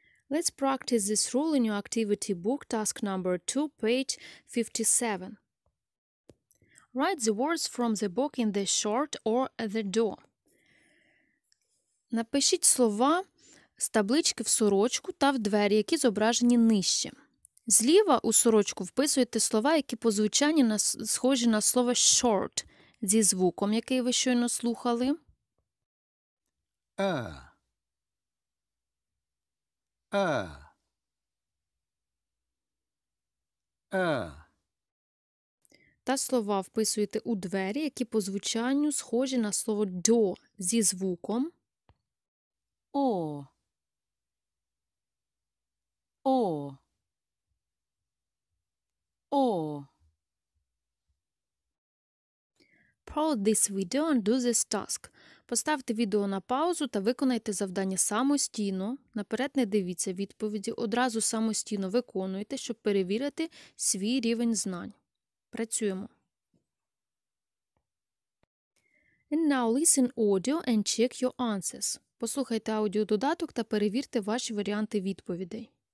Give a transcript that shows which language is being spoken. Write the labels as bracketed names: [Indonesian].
[English] Let's practice this rule in your activity book, task number 2, page 57. Write the words from the book in the short or the door. [Ukrainian] Напишіть слова з таблички в сорочку та в двері, які зображені нижче. Зліва у сорочку вписуєте слова, які по звучанні схожі на слово short зі звуком, який ви щойно слухали. Та слова вписуєте у двері, які по звучанню схожі на слово door зі звуком. [English] Pause this video and do this task. [Ukrainian] Поставте відео на паузу та виконайте завдання самостійно. Наперед не дивіться відповіді, одразу самостійно виконуйте, щоб перевірити свій рівень знань. Працюємо. [English] And now listen audio and check your answers. [Ukrainian] Послухайте аудіододаток та перевірте ваші варіанти відповідей.